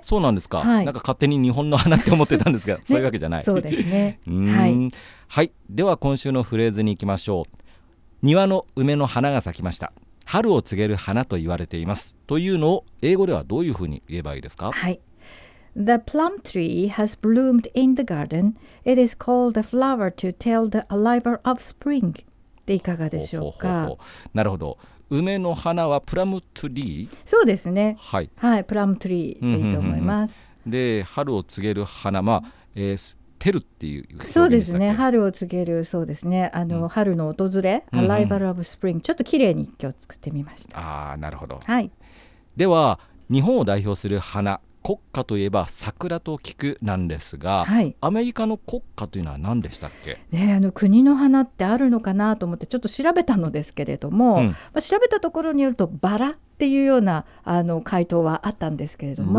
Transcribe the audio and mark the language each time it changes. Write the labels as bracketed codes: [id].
[ja] あ、そうなんですか、はい、なんか勝手に日本の花って思ってたんですが、ね、そういうわけじゃない。そうですね。はい、では今週のフレーズに行きましょう。庭の梅の花が咲きました。春を告げる花と言われています。というのを英語ではどういうふうに言えばいいですか？ [en] はい、The plum tree has bloomed in the garden. It is called the flower to tell the arrival of spring. [ja] でいかがでしょうか？ほうほうほうほう。なるほど。梅の花はプラムツリー？そうですね。はい。はい、プラムツリーでいいと思います。で、春を告げる花、まあ、テルっていう表現でしたっけ？そうですね。春を告げる、そうですね。春の訪れ、 [en] arrival of spring。 [ja] ちょっと綺麗に今日作ってみました。ああ、なるほど。はい。では、日本を代表する花。国歌といえば桜と聞くなんですが、はい、アメリカの国歌というのは何でしたっけ？ね、国の花ってあるのかなと思ってちょっと調べたのですけれども、うん、まあ、調べたところによるとバラっていうような回答はあったんですけれども、